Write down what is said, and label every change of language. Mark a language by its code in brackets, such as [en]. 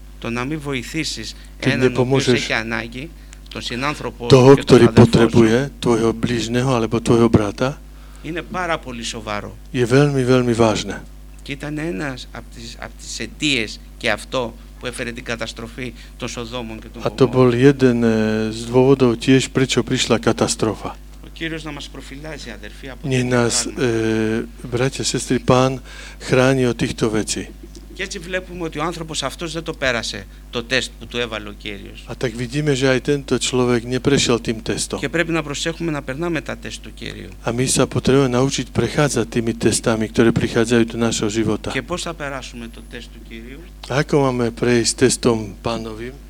[el] Το να μην βοηθήσεις έναν που έχει ανάγκη, τον συνάνθρωπο [sk] toho, [el] και τον αδερφό [sk] potrebuje, tvojho blížneho alebo tvojho brata, [el] είναι πάρα πολύ σοβαρό. [sk] Je veľmi, veľmi vážne. [el] Και ήταν ένας από τις αιτίες και αυτό που έφερε την καταστροφή των Σοδόμων και των [sk] Γομόρων. A to bol jeden z dôvodov tiež, prečo prišla katastrofa. [el] Ο Κύριος να μας προφυλάζει, αδερφοί, από [sk] Nie nás, bratia, sestri, Pán chráni od týchto vecí. [el] Και έτσι βλέπουμε ότι ο άνθρωπος αυτός δεν το πέρασε το τεστ που του έβαλε ο Κύριος. [sk] A tak vidíme, že aj tento človek neprešiel tým testom. [el] Και πρέπει να προσέχουμε να περνάμε τα τεστ του Κύριου. [sk] A my sa potrebujeme naučiť prechádzať tými testami, ktoré prichádzajú do našho života. [el] Και πώς θα περάσουμε το τεστ του Κύριου? [sk] A ako máme prejsť testom Pánovým?